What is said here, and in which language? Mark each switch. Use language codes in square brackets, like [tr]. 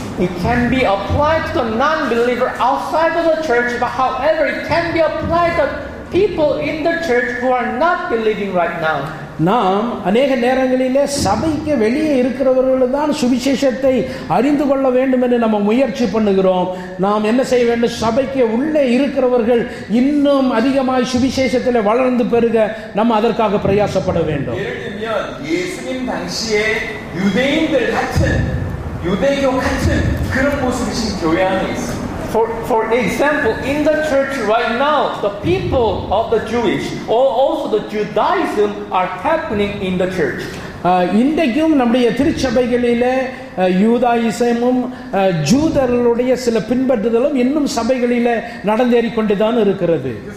[en] It can be applied to non-believer outside of the church, but however it can be applied to people in the church who are not believing right now. [ta] நாம் அநேக நேரங்களிலே சபைக்கு வெளியே இருக்கிறவர்கள் தான் சுவிசேஷத்தை அறிந்து கொள்ள வேண்டும் என்று நம்ம முயற்சி பண்ணுகிறோம். நாம் என்ன செய்ய வேண்டும்? சபைக்கு உள்ளே இருக்கிறவர்கள் இன்னும் அதிகமாக சுவிசேஷத்தில் வளர்ந்து பெறுக நம்ம அதற்காக பிரயாசப்பட வேண்டும். [en] For example, in the church right now, the people of the Jewish or also the Judaism are happening in the church. [ta] இன்றைக்கும் நம்முடைய திருச்சபைகளில யூதாயிசமும் ஜூதர்களுடைய சில பின்பற்றுதலும் இன்னும் சபைகளில நடந்தேறி கொண்டுதான் இருக்கிறது.